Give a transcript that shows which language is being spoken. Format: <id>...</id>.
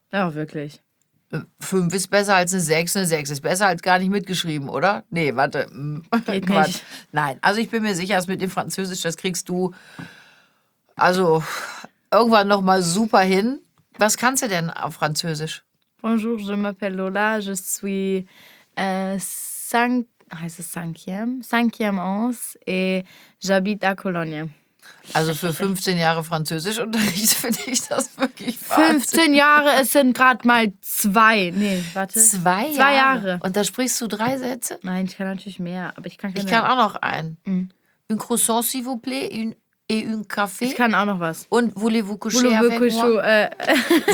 <de>Ja, wirklich. 5 ist besser als eine 6. Eine 6 ist besser als gar nicht mitgeschrieben, oder? Nee, warte. Geht Quatsch. Nicht. Nein, also ich bin mir sicher, mit dem Französisch, das kriegst du also irgendwann nochmal super hin. Was kannst du denn auf Französisch?</de> <fr>Bonjour, je m'appelle Lola, je suis cinquième ans et j'habite à Cologne.</fr> <de>Also für 15 Jahre Französischunterricht finde ich das wirklich wahnsinnig. 15 Jahre, es sind gerade mal 2. Nee, warte. 2 Jahre. Und da sprichst du 3 Sätze? Nein, ich kann natürlich mehr, aber ich kann keine. Ich kann auch noch einen. Mhm.</de> <fr>Un croissant, s'il vous plaît, et un café.</fr> <de>Ich kann auch noch was. Und</de> <fr>voulez-vous coucher avec moi?</fr>